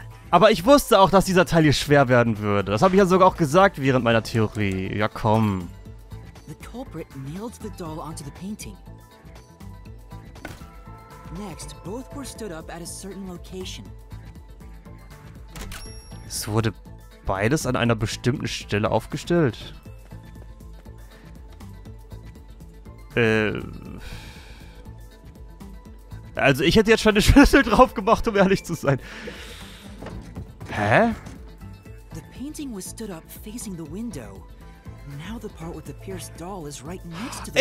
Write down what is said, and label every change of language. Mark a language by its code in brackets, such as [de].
[de] Aber ich wusste auch, dass dieser Teil hier schwer werden würde. Das habe ich ja sogar auch gesagt während meiner Theorie. Ja, komm. [en] The culprit nailed the doll onto the painting. Next, both were stood up at a certain location. [de] Es wurde beides an einer bestimmten Stelle aufgestellt. Also ich hätte jetzt schon den Schlüssel drauf gemacht, um ehrlich zu sein. Hä? [en] The painting was stood up facing the window. Now the part with the pierced doll is right next to the...